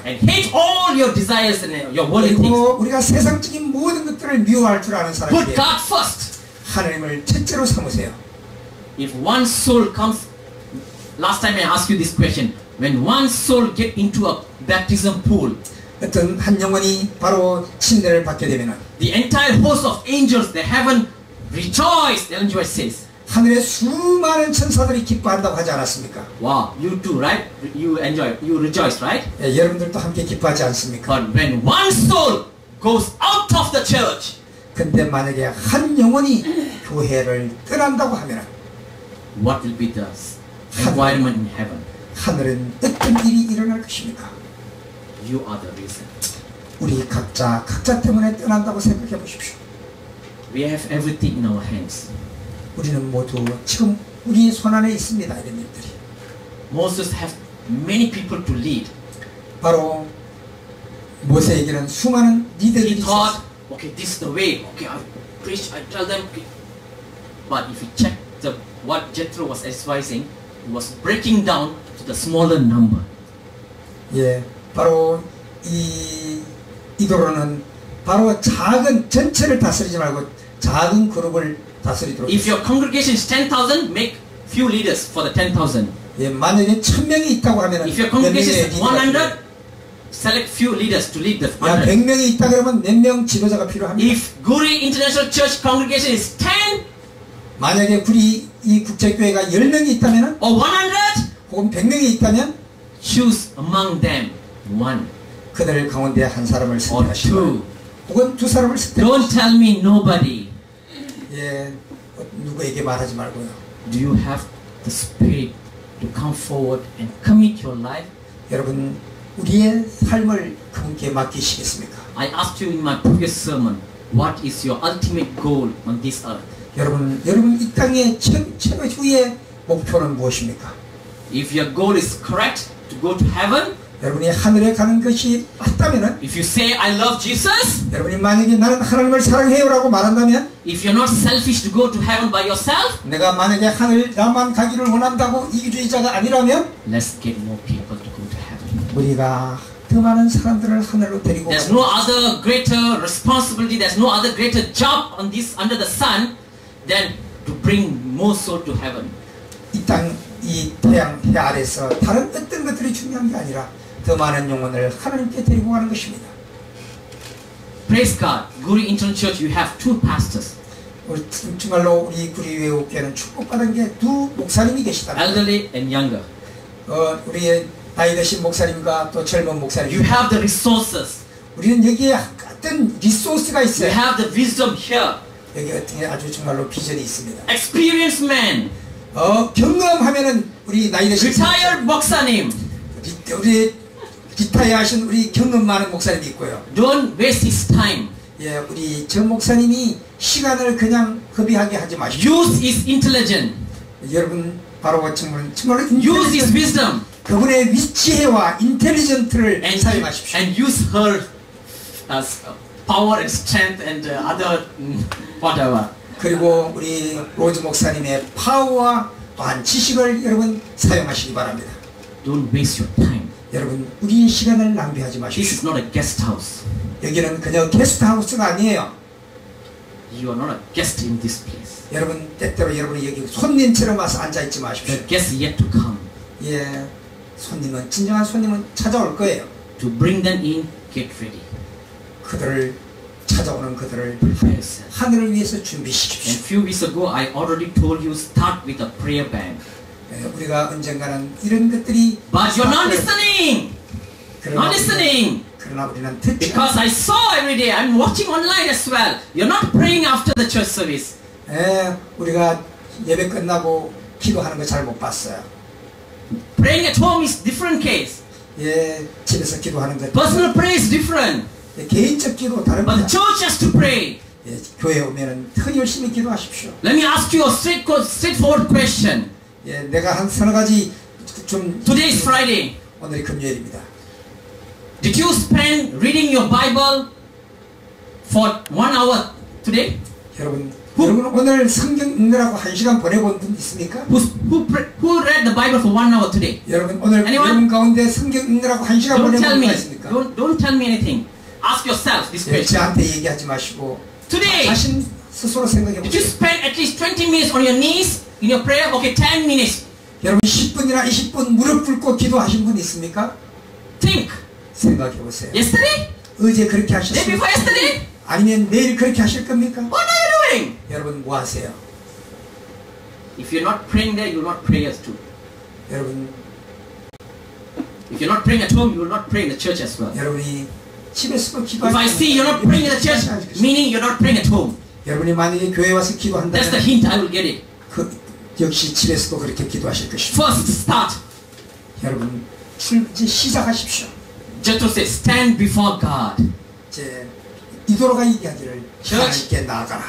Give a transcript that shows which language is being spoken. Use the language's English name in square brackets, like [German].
[English] And hate all your desires and your worldly things. [Korean] 그리고 우리가 세상적인 모든 것들을 미워할 줄 아는 사람이 돼요. [English] Put God first. [Korean] 하나님을 첫째로 삼으세요. [English] If one soul comes, last time I asked you this question. When one soul get into a baptism pool, [Korean] 어떤 한 영혼이 바로 침례를 받게 되면, [English] the entire host of angels, the heaven rejoice. The angel says. [Korean] 하늘에 수많은 천사들이 기뻐한다고 하지 않았습니까? [English] Wow, you do, right? You enjoy, you rejoice, right? [Korean] 예, 여러분들도 함께 기뻐하지 않습니까? [English] But when one soul goes out of the church, [Korean] 근데 만약에 한 영혼이 교회를 떠난다고 하면, [English] what will be the environment in heaven? [Korean] 하늘은 어떤 일이 일어날 것입니까? [English] You are the reason. [Korean] 우리 각자 때문에 떠난다고 생각해 보십시오. [English] We have everything in our hands. [Korean] 우리는 모두 지금 우리 손 안에 있습니다. 이런 일들이. [English] Moses has many people to lead. [Korean] 바로 모세에게는 수많은 리더들이 있었어. [English] Okay, this is the way. Okay, I preach, I tell them. But if you check the what Jethro was advising, it was breaking down to the smaller number. [Korean] 예, 바로 이 이도로는 바로 작은 전체를 다스리지 말고 작은 그룹을 다스리도록. [English] If your congregation is 10,000, make few leaders for the 10,000. [Korean] 예, 만약에 천 명이 있다고 하면은. [English] If your congregation is 100, select few leaders to lead the 100. [Korean] 야, 100명이 있다 그러면 몇 명 지도자가 필요합니다. [English] If Guri International Church congregation is 10, [Korean] 만약에 구리 이 국제교회가 10명이 있다면, [English] or 100, [Korean] 혹은 100명이 있다면, [English] choose among them one. [Korean] 그들 가운데 한 사람을 선택하시고, 혹은 두 사람을 선택하시고. [English] Don't tell me nobody. [Korean] 예, 누구에게 말하지 말고요. [English] Do you have the spirit to come forward and commit your life? [Korean] 여러분, 우리의 삶을 그분께 맡기시겠습니까? [English] I asked you in my previous sermon, what is your ultimate goal on this earth? [Korean] 여러분 이 땅의 최후의 목표는 무엇입니까? [English] If your goal is correct to go to heaven, [Korean] 여러분이 하늘에 가는 것이 맞다면은, [English] if you say I love Jesus, [Korean] 여러분이 만약에 나는 하나님을 사랑해요라고 말한다면, [English] if you're not selfish to go to heaven by yourself, [Korean] 내가 만약에 하늘 나만 가기를 원한다고 이기주의자가 아니라면, [English] let's get more people to go to heaven. [Korean] 우리가 더 많은 사람들을 하늘로 데리고 가. [English] There's no other greater responsibility. There's no other greater job on this under the sun than to bring more soul to heaven. [Korean] 이 땅 이 태양 해 아래서 다른 어떤 것들이 중요한 게 아니라 더 많은 영혼을 하나님께 데리고 가는 것입니다. [English] Praise God, Guri Intern Church, you have two pastors. [Korean] 정말로 우리 구리 회옥교회는 축복받은 게 두 목사님이 계시다. [English] Elderly and younger. [Korean] 우리의 나이 드신 목사님과 또 젊은 목사님. [English] You have the resources. [Korean] 우리는 여기에 어떤 리소스가 있어요. [English] You have the wisdom here. [Korean] 여기 어떤 게 아주 정말로 비전이 있습니다. [English] Experienced man. [Korean] 경험하면은 우리 나이 드신 [English] retired [Korean] 목사님. 우리 기타이하신 우리 경험 많은 목사님이 있고요. [English] Don't waste his time. [Korean] 예, 우리 저 목사님이 시간을 그냥 허비하게 하지 마십시오. [English] Use his intelligence. [Korean] 여러분 바로 같은 정말로 [English] use his wisdom. [Korean] 그분의 위치와 인텔리전트를 사용하십시오. [English] And use her as power and strength and other whatever. [Korean] 그리고 우리 로즈 목사님의 파워와 또한 지식을 여러분 사용하시기 바랍니다. [English] Don't waste your time. [Korean] 여러분 우리의 시간을 낭비하지 마십시오. [English] This is not a guest house. [Korean] 여기는 그냥 게스트하우스가 아니에요. [English] You are not a guest in this place. [Korean] 여러분 때때로 여러분이 여기 손님처럼 와서 앉아있지 마십시오. [English] The guest yet to come. [Korean] 예, 손님은 진정한 손님은 찾아올 거예요. [English] To bring them in, get ready. [Korean] 그들을 찾아오는 그들을 하늘을 위해서 준비시키십시오. [English] And few weeks ago, I already told you start with a prayer bank. [Korean] 예, 우리가 언젠가는 이런 것들이 [English] But you're not listening. Not listening. [Korean] 그러나 우리는 듣지 [English] Because [Korean] 않아. [English] I saw every day. I'm watching online as well. You're not praying after the church service. [Korean] 예, 우리가 예배 끝나고 기도하는 거 잘 못 봤어요. [English] Praying at home is different case. [Korean] 예, 집에서 기도하는 거. [English] Personal prayer is different. [Korean] 예, 개인적 기도 다른. [English] But the church has to pray. [Korean] 예, 교회 오면은 더 열심히 기도하십시오. [English] Let me ask you a straightforward question. [Korean] 예, 내가 한 서너 가지 좀. [English] Today is Friday. [Korean] 오늘이 금요일입니다. [English] Did you spend reading your Bible for 1 hour today? [Korean] 여러분. 여러분 오늘 성경 읽느라고 한 시간 보내본 분 있습니까? [English] Who read the Bible for 1 hour today? [Korean] 여러분 오늘 [English] Anyone? [Korean] 여러분 가운데 성경 읽느라고 한 시간 [English] don't [Korean] 보내본 분 있습니까? [English] Don't tell me anything. Ask yourself this question. [Korean] 예, 저한테 얘기하지 마시고 [English] today, [Korean] 자신 스스로 생각해 보세요. [English] Did you spend at least 20 minutes on your knees in your prayer? Okay, 10 minutes. [Korean] 여러분 10분이나 20분 무릎 꿇고 기도하신 분 있습니까? [English] Think. [Korean] 생각해 보세요. [English] Yesterday? [Korean] 어제 그렇게 하셨습니까? [English] Day before yesterday? [Korean] 아니면 내일 그렇게 하실 겁니까? [English] What are you doing? [Korean] 여러분 뭐 하세요? [English] If you're not praying there, you're not prayers too. [Korean] 여러분 [English] If you're not praying at home, you're not praying in the church as well. [Korean] 여러분이 집에서 [English] If I see you're not praying in the church, meaning you're not praying at home. [Korean] 여러분이 만약에 교회 와서 기도한다면 [English] That's the hint I will get it. [Korean] 그 역시 집에서도 그렇게 기도하실 것입니다. [English] First start. [Korean] 여러분 이제 시작하십시오. [English] Jethro says, stand before God. [Korean] 제 이도로가 얘기하기를 하나님께 나아가라.